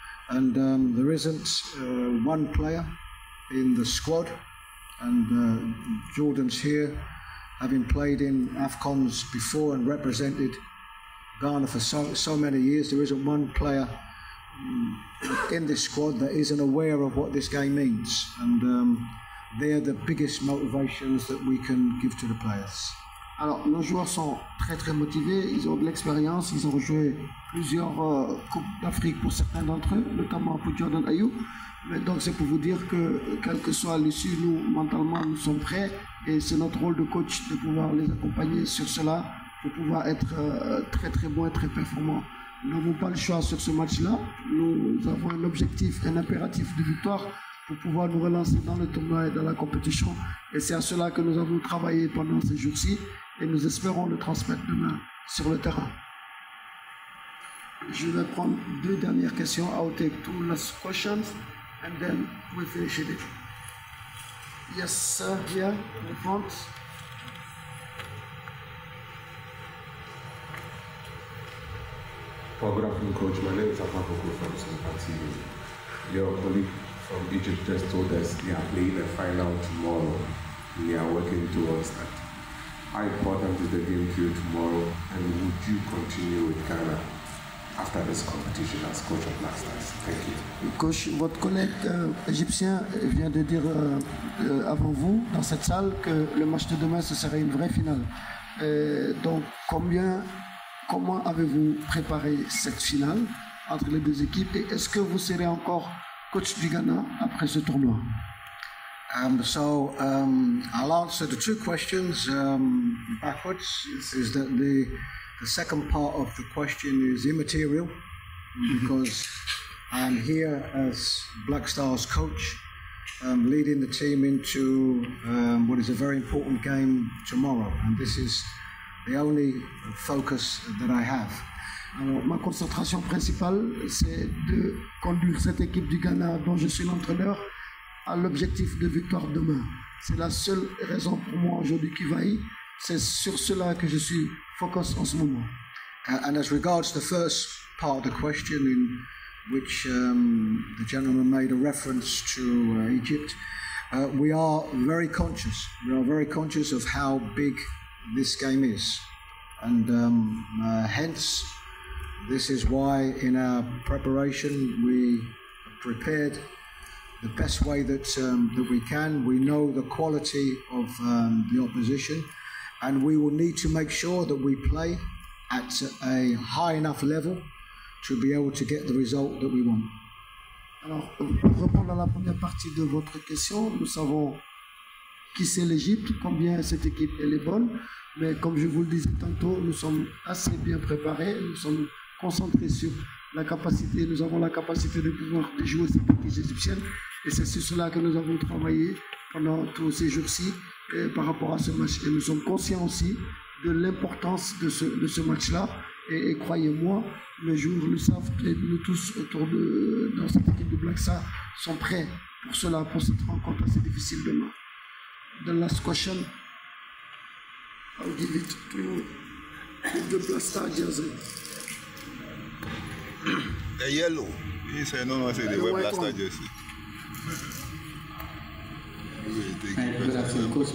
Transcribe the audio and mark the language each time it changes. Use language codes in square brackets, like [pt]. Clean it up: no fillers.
[en] And there isn't one player in the squad, and Jordan's here, having played in AFCONs before and represented Ghana for so many years, there isn't one player in this squad that isn't aware of what this game means. And they're the biggest motivations that we can give to the players. [fr] Alors, nos joueurs sont très très motivés, ils ont de l'expérience, ils ont joué plusieurs Coupes d'Afrique pour certains d'entre eux, notamment pour Jordan Ayew. Mais donc c'est pour vous dire que, quelle que soit l'issue, nous, mentalement, nous sommes prêts et c'est notre rôle de coach de pouvoir les accompagner sur cela pour pouvoir être très très bon et très performant. Nous n'avons pas le choix sur ce match-là, nous avons un objectif, un impératif de victoire pour pouvoir nous relancer dans le tournoi et dans la compétition. Et c'est à cela que nous avons travaillé pendant ces jours-ci et nous espérons le transmettre demain sur le terrain. Je vais prendre deux dernières questions. [en] I'll take two last questions and then we'll finish it. Yes, sir, here, in the front. Well, good afternoon, Coach. My name is Afakoko from Sympathy. Your colleague from Egypt just told us they are playing a final tomorrow. And they are working towards that. How important is the game to you tomorrow? And would you continue with Ghana after this competition as coach of Black Stars? Thank you. [fr] Coach, votre collègue égyptien vient de dire avant vous, dans cette salle, que le match de demain, ce serait une vraie finale. Donc, comment avez-vous préparé cette finale entre les deux équipes et est-ce que vous serez encore coach du Ghana après ce tournoi? [en] So I'll answer the two questions backwards. Yes. Is that the second part of the question is immaterial because I'm here as Black Stars coach, leading the team into what is a very important game tomorrow, and this is the only focus that I have. [fr] Alors, ma concentration principale, c'est de conduire cette équipe du Ghana dont je suis l'entraîneur à l'objectif de victoire demain. C'est la seule raison pour moi aujourd'hui qui vaille. C'est sur cela que je suis focus en ce moment. [en] And as regards the first part of the question in which the gentleman made a reference to Egypt, we are very conscious. We are very conscious of how big this game is. And hence, this is why in our preparation we prepared the best way that that we can. We know the quality of the opposition, and we will need to make sure that we play at a high enough level to be able to get the result that we want. [fr] Alors, pour répondre à la première partie de votre question, nous savons qui c'est l'Égypte, combien cette équipe elle est bonne, mais comme je vous le disais tantôt, nous sommes assez bien préparés, nous sommes concentrés sur la capacité, nous avons la capacité de pouvoir jouer cette équipe égyptienne, et c'est sur cela que nous avons travaillé pendant tous ces jours-ci par rapport à ce match. Et nous sommes conscients aussi de l'importance de ce match-là, et croyez-moi, les joueurs le savent, et nous tous autour de dans cette équipe de Black Star sont prêts pour cela, pour cette rencontre assez difficile demain. [en] The last question, I'll give it to the Black Star jersey. The yellow. He said no, I said the white Black Star jersey. Good afternoon, Coach.